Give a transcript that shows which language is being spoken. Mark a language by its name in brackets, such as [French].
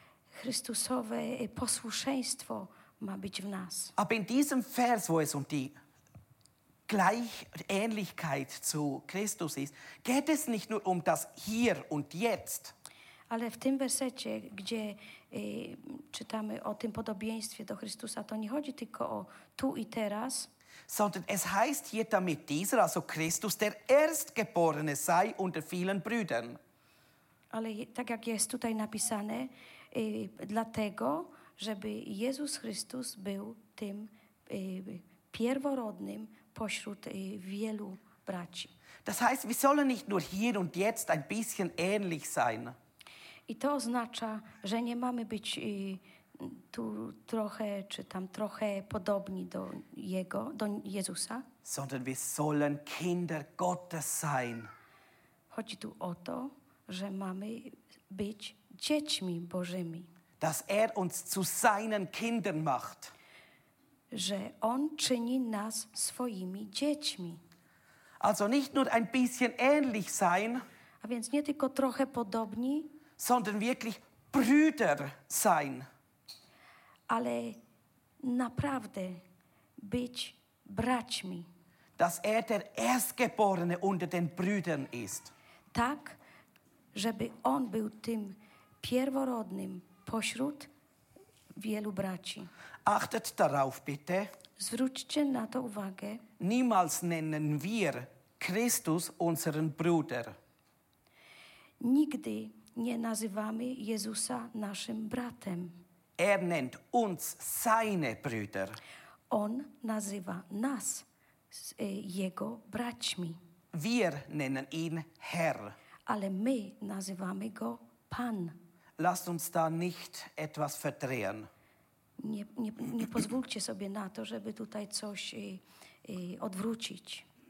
[Polish] Chrystusowe posłuszeństwo ma być w nas. [German] Aber in diesem Vers, wo es um die Gleichähnlichkeit zu Christus ist, geht es nicht nur um das Hier und Jetzt. [Polish] Ale w tym wersecie, gdzie czytamy o tym podobieństwie do Chrystusa, to nie chodzi tylko o tu i teraz. [German] Sondern es heißt hier damit dieser, also Christus, der Erstgeborene sei unter vielen Brüdern. [Polish] Ale tak jak jest tutaj napisane, dlatego, żeby Jezus Chrystus był tym pierworodnym pośród wielu braci. [German] Das heißt, wir sollen nicht nur hier und jetzt ein bisschen ähnlich sein. [Polish] I to oznacza, że nie mamy być tu trochę czy tam trochę podobni do Jego, do Jezusa. [German] Sondern wir sollen Kinder Gottes sein. [Polish] Chodzi tu o to, że mamy być dziećmi Bożymi. [German] Dass er uns zu seinen Kindern macht. [Polish] Że On czyni nas swoimi dziećmi. [German] Also nicht nur ein bisschen ähnlich sein, [Polish] a więc nie tylko trochę podobni, [German] sondern wirklich Brüder sein. [Polish] Ale naprawdę być braćmi. [German] Dass er der Erstgeborene unter den Brüdern ist. [Polish] Tak, żeby On był tym pierworodnym pośród wielu braci. [German] Achtet darauf bitte. [Polish] Zwróćcie na to uwagę. [German] Niemals nennen wir Christus unseren Bruder. [Polish] Nigdy nie nazywamy Jezusa naszym bratem. [German] Er nennt uns seine Brüder. [Polish] On nazywa nas jego braćmi. [German] Wir nennen ihn Herr. [Polish] Ale my nazywamy go Pan. [German] Lasst uns da nicht etwas verdrehen. [Polish] Nie pozwólcie sobie na to, żeby tutaj coś odwrócić.